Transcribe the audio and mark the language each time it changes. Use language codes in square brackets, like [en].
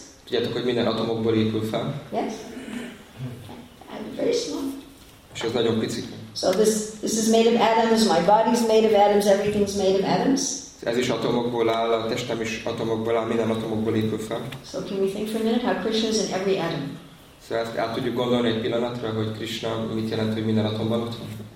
[hu] Tudjátok, hogy minden atomokból épül fel? [en] Yes. Okay. I'm very small. [hu] És ez nagyon picik. [en] So this is made of atoms, my body's made of atoms, everything's made of atoms. [hu] Ez is atomokból áll, a testem is atomokból áll, minden atomokból épül fel. [en] So can we think for a minute how Krishna's in every atom? [hu] So ezt át tudjuk gondolni egy pillanatra, hogy Krishna mit jelent, hogy minden atomban ott van.